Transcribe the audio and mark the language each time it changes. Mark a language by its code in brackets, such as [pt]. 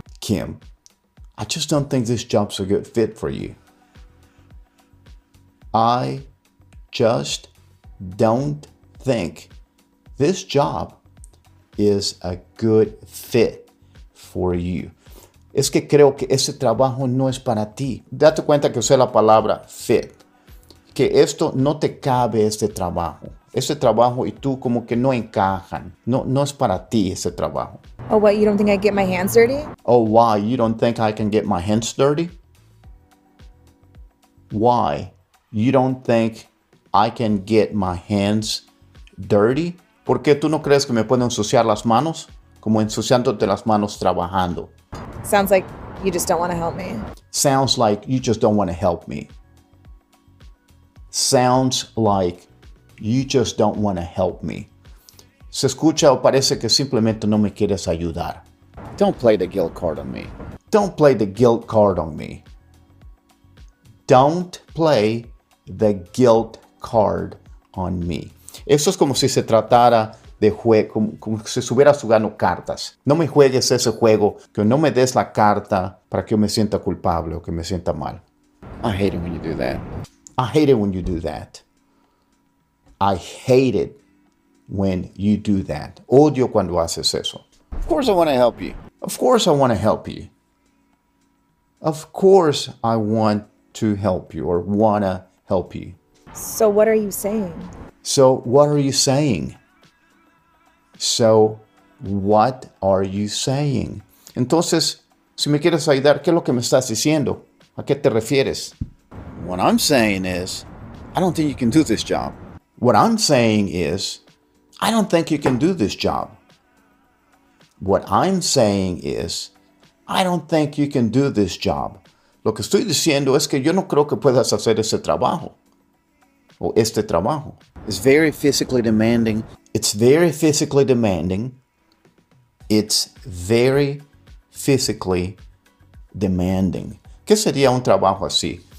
[en] Kim, I just don't think this job's a good fit for you. I just don't think this job is a good fit for you. [es] Es que creo que ese trabajo no es para ti. Date cuenta que usé la palabra fit. Que esto no te cabe, este trabajo. Ese trabajo y tú como que no encajan. No es para ti ese trabajo. [en] Oh, what? You don't think I get my hands dirty? Oh, why? You don't think I can get my hands dirty? Why? You don't think I can get my hands dirty? [es] ¿Por qué tú no crees que me puedo ensuciar las manos? Como ensuciándote las manos trabajando. [en] Sounds like you just don't want to help me. Sounds like you just don't want to help me. Sounds like you just don't want to help me. [es] Se escucha o parece que simplemente no me quieres ayudar. [en] Don't play the guilt card on me. Don't play the guilt card on me. Don't play the guilt card on me. [es] Eso es como si se tratara de como si estuvieras jugando cartas. No me juegues ese juego, que no me des la carta para que yo me sienta culpable o que me sienta mal. [en] I hate it when you do that. I hate it when you do that. I hate it when you do that. [es] Odio cuando haces eso. [en] Of course I want to help you. Of course I want to help you. Of course I want to help you or want to help you. So what are you saying? So what are you saying? So what are you saying? [es] Entonces, si me quieres ayudar, ¿qué es lo que me estás diciendo? ¿A qué te refieres? [en] What I'm saying is, I don't think you can do this job. What I'm saying is, I don't think you can do this job. What I'm saying is, I don't think you can do this job. [es] Lo que estoy diciendo es que yo no creo que puedas hacer ese trabajo. O este trabajo. [en] It's very physically demanding. It's very physically demanding. It's very physically demanding. [es] ¿Qué sería un trabajo así?